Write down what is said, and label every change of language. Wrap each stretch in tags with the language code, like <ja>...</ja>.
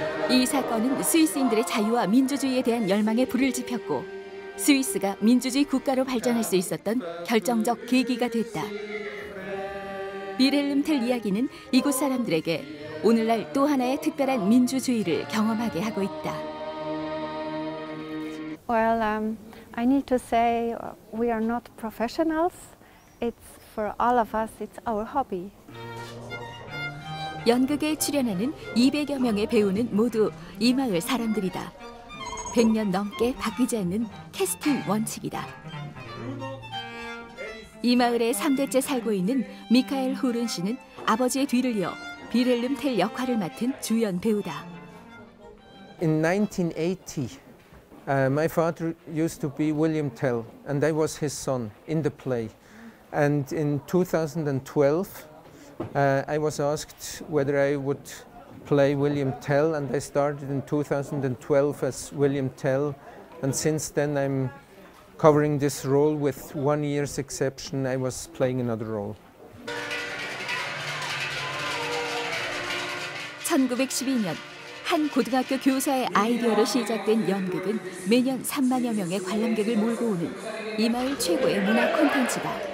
<ko>이 사건은 스위스인들의 자유와 민주주의에 대한 열망에 불을 지폈고 스위스가 민주주의 국가로 발전할 수 있었던 결정적 계기가 됐다. 빌헬름 텔 이야기는 이곳 사람들에게 오늘날 또 하나의 특별한 민주주의를 경험하게 하고 있다.</ko> <en>Well, I need to say we are not professionals. It's for all of us. It's our hobby.</en> <ko>연극에 출연하는 200여 명의 배우는 모두 이 마을 사람들이다. 100년 넘게 바뀌지 않는 캐스팅 원칙이다. 이 마을에 3대째 살고 있는 미카엘 후른 씨는 아버지의 뒤를 이어 빌헬름 텔 역할을 맡은 주연 배우다.</ko> <en>In 1980, my father used to be William Tell, and I was his son in the play. And in 2012, I was asked whether I would play William Tell, and I started in 2012 as William Tell, and since then I'm covering this role with 1 year's exception, I was playing another role.</en> <ko>1912년 한 고등학교 교사의 아이디어로 시작된 연극은 매년 3만여 명의 관람객을 몰고 오는 이 마을 최고의 문화 콘텐츠다.</ko>